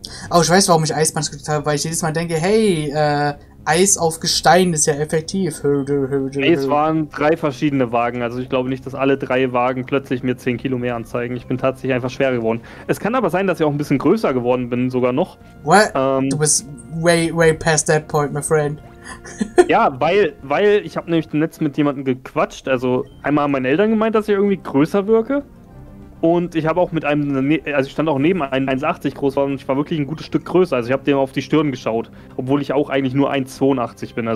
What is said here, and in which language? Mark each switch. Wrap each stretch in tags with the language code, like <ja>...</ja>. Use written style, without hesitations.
<de>Oh, ich weiß, warum ich Eisbahn gedrückt habe, weil ich jedes Mal denke, hey, Eis auf Gestein ist ja effektiv. Es waren drei verschiedene Wagen, also ich glaube nicht, dass alle drei Wagen plötzlich mir 10 Kilo mehr anzeigen. Ich bin tatsächlich einfach schwer geworden. Es kann aber sein, dass ich auch ein bisschen größer geworden bin, sogar noch.</de> <en>What?</en> <de>Du bist</de> <en>way, way past that point, my friend.</en> <de>Ja, weil ich habe nämlich zuletzt mit jemandem gequatscht. Also einmal haben meine Eltern gemeint, dass ich irgendwie größer wirke. Und ich habe auch mit einem, also ich stand auch neben einem 1,80 groß war und ich war wirklich ein gutes Stück größer. Also ich habe dem auf die Stirn geschaut, obwohl ich auch eigentlich nur 1,82 bin.</de>